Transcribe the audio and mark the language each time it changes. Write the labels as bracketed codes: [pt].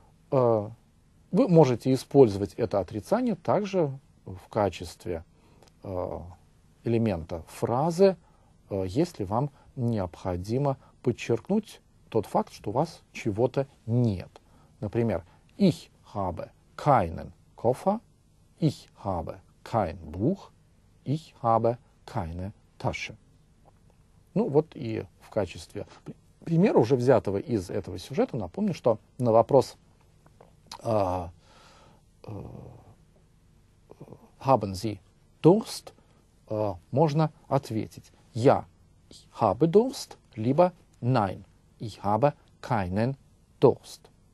[ru] Вы можете использовать это отрицание также в качестве элемента фразы, если вам необходимо подчеркнуть тот факт, что у вас чего-то нет. Например, [de] ich habe keinen Koffer, ich habe kein Buch, ich habe keine Tasche. [ru] Ну вот и в качестве примера, уже взятого из этого сюжета, напомню, что на вопрос [de] haben Sie Durst, [ru] можно ответить [de] «Я habe Durst» [ru] либо [de] «Nein, ich habe keinen Durst».